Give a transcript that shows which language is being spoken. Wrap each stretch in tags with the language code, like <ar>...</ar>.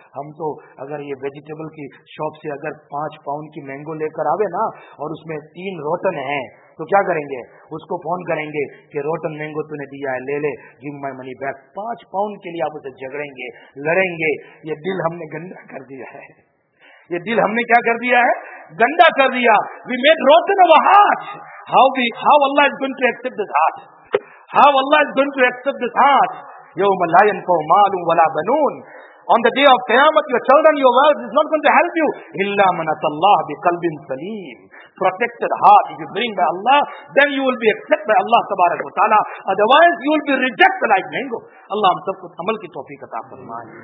<ur>ہم تو اگر یہ ویجیٹیبل کی شاپ سے اگر 5 پاؤنڈ کی مینگو لے کر آوے نا اور اس میں 3 روٹن ہیں تو کیا کریں گے, اس کو فون کریں گے کہ روٹن مینگو تو نے دیا ہے, لے لے,</ur> <en>Give my money back.</en> <ur>5 pound کے لیے آپ اسے جھگڑیں گے, لڑیں گے. یہ دل ہم نے گندا کر دیا ہے, یہ دل ہم نے کیا کر دیا ہے, گندا کر دیا.</ur> <en>We made rotten our heart. How we, how Allah is going to accept this heart. How Allah is going to accept this heart?</en> <ar>يَوْمَ لَا يَنْفَوْ مَالٌ وَلَا بَنُونَ.</ar> <en>On the day of Qiyamah, your children, your wealth is not going to help you.</en> <ar>إِلَّا مَنَتَ اللَّهَ بِقَلْبٍ سَلِيمٍ.</ar> <en>Protected heart. If you bring by Allah, then you will be accepted by Allah</en> <ar>تبارك وتعالى.</ar> <en>Otherwise, you will be rejected like mango.</en> <ur>اللہ ہم سب کو عمل کی توفیق عطا فرمائے.</ur>